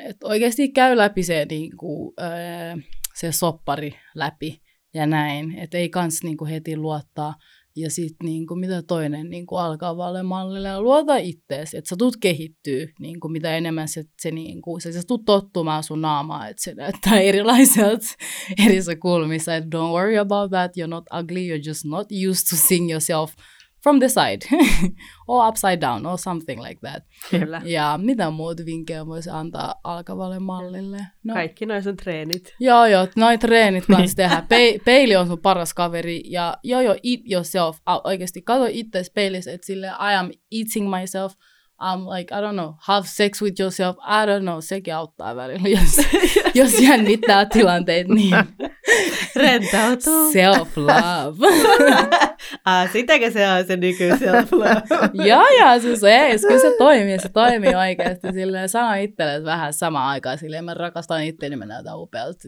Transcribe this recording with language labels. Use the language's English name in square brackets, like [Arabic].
[Finnish] Et oikeasti käy läpi se, niin kuin, se soppari läpi. Ja näin, että ei kans niinku heti luottaa Ja sitten niinku, mitä toinen niinku, alkaa valle mallille ja luota itteesi, että sä tulet kehittyä niinku, mitä enemmän se niinku, sä tulet tottumaan sun naamaa, että se näyttää erilaiselta eri kulmissa. Et [English] don't worry about that, you're not ugly, you're just not used to seeing yourself from the side or upside down or something like that. [Finnish] Kyllä. Ja mitä muut vinkkejä voisi antaa alkavalle mallille? No. Kaikki noin sun treenit. Joo, noin treenit kanssa tehdä. Peili on sun paras kaveri. Ja joo, [English] eat yourself. [Finnish] Oikeasti katso itseäsi peilissä, että silleen [English] I am eating myself. I'm like, I don't know, have sex with yourself. I don't know, [Finnish] sekin auttaa välillä, jos jännittää tilanteet, niin. Rentoutuu. [English] Self-love. [Finnish] sitäkö se on se nyky self-love? Joo, siis ees, kyllä se toimii oikeasti. Silleen, sano itselle, että vähän samaan aikaan, silleen, mä rakastan itse, niin mä näytän upealta.